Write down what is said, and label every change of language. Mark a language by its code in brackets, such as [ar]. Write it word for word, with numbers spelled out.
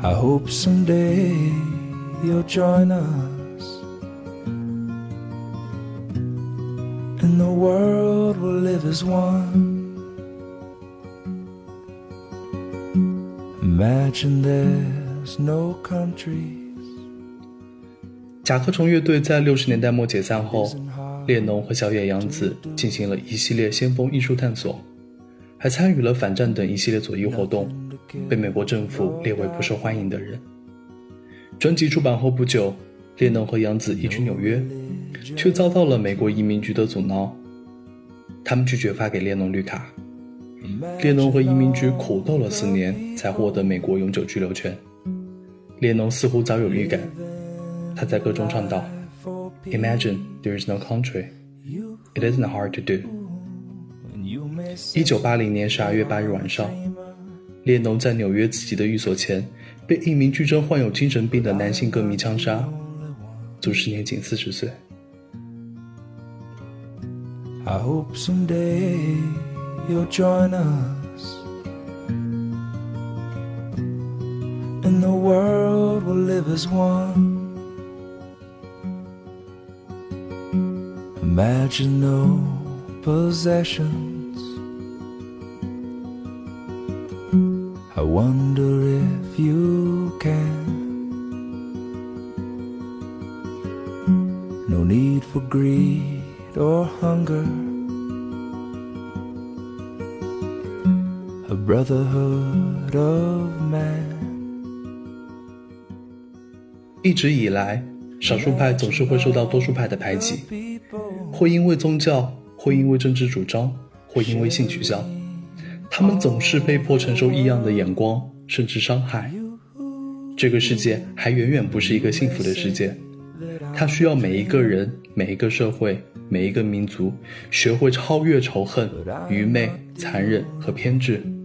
[en] I hope someday you'll join us, and the world will live as one. Imagine there's no country. [zh] 甲壳虫乐队在六十年代末解散后，列侬和小野洋子进行了一系列先锋艺术探索，还参与了反战等一系列左翼活动，被美国政府列为不受欢迎的人。专辑出版后不久，列侬和洋子移居纽约，却遭到了美国移民局的阻挠，他们拒绝发给列侬绿卡。列侬和移民局苦斗了四年，才获得美国永久居留权。列侬似乎早有预感，他在歌中唱道 [en] Imagine there is no country, It isn't hard to do。 [zh] 一九八零年十二月八日晚上，列侬在纽约自己的寓所前被一名据称患有精神病的男性歌迷枪杀，卒时年仅四十岁。 [en] I hope someday you'll join us, And the world will live as one. Imagine no possessions, I wonder if you can. No need for greed or hunger, A brotherhood of man. [zh] 一直以来，少数派总是会受到多数派的排挤，或因为宗教，或因为政治主张，或因为性取向，他们总是被迫承受异样的眼光，甚至伤害。这个世界还远远不是一个幸福的世界，它需要每一个人，每一个社会，每一个民族学会超越仇恨、愚昧、残忍和偏执。